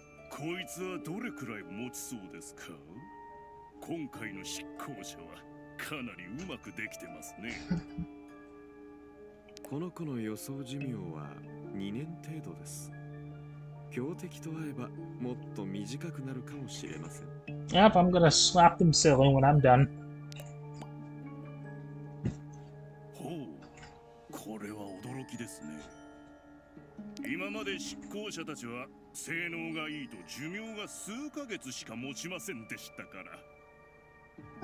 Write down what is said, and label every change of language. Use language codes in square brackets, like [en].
[ja] こいつはどれくらい持ちそうですか。今回の執行者はかなりうまくできてますね。この子の予想寿命は2年程度です。強敵と会えばもっと短くなるかもしれません。 [en] Yep, I'm gonna slap them silly when I'm done. [ja] ほう、これは驚きですね。今まで執行者たちは性能がいいと寿命が数ヶ月しか持ちませんでしたから。